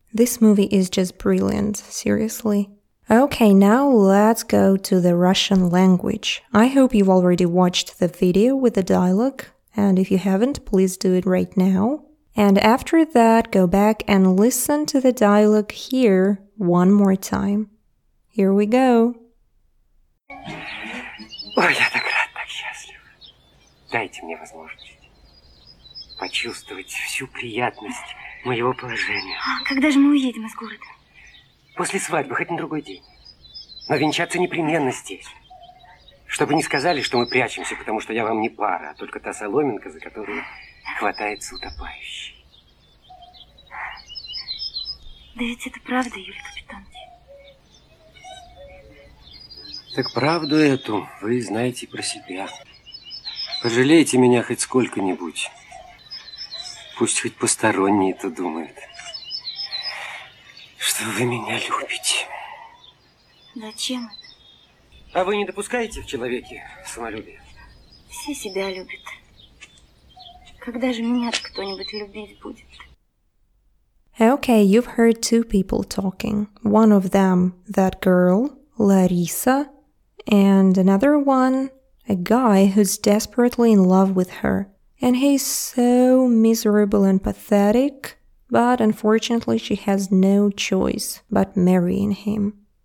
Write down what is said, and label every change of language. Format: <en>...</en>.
<en>This movie is just brilliant, seriously. Okay, now let's go to the Russian language. I hope you've already watched the video with the dialogue. And if you haven't, please do it right now. And after that, go back and listen to the dialogue here one more time. Here we go.</en> <ru>Ой, я так рад, так счастлив. Дайте мне возможность почувствовать всю приятность моего положения. А когда же мы уедем из города? После свадьбы, хоть на другой день. Но венчаться непременно здесь. Чтобы не сказали, что мы прячемся, потому что я вам не пара, а только та соломинка, за которую хватается утопающий. Да ведь это правда, Юлия Капитановна. Так правду эту вы знаете про себя. Пожалейте меня хоть сколько-нибудь. Пусть хоть посторонние-то думают, что вы меня любите. Зачем это? А вы не допускаете в человеке самолюбия? Все себя любят. Когда же меня кто-нибудь любить будет?</ru> <en>Okay, you've heard two people talking. One of them, that girl, Лариса, and another one, a guy who's desperately in love with her. And he's so miserable and pathetic, but unfortunately she has no choice but marrying him.</en>